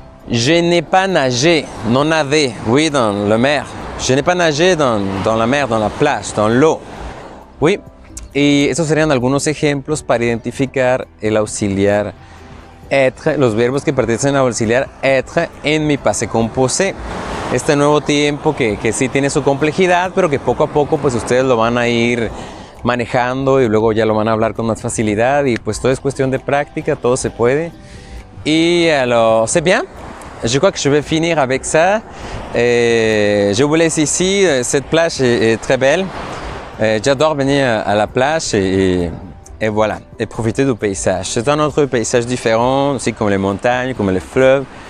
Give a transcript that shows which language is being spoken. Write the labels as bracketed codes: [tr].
[fr] Je n'ai pas nagé. [es] No nadé. [fr] Oui, dans le mer. Je n'ai pas nagé dans la mer, dans la plage, dans l'eau. [es] Oui, y esos serían algunos ejemplos para identificar el auxiliar être, los verbos que pertenecen al auxiliar être en mi passé composé. Este nuevo tiempo que sí tiene su complejidad, pero que poco a poco pues ustedes lo van a ir manejando y luego ya lo van a hablar con más facilidad y pues todo es cuestión de práctica, todo se puede. [fr] Y alors, c'est bien. Je crois que je vais finir avec ça. Je vous laisse ici. Cette plage est très belle. J'adore venir à la plage et voilà. Et profiter du paysage. C'est un autre paysage différent, aussi comme les montagnes, comme les fleuves.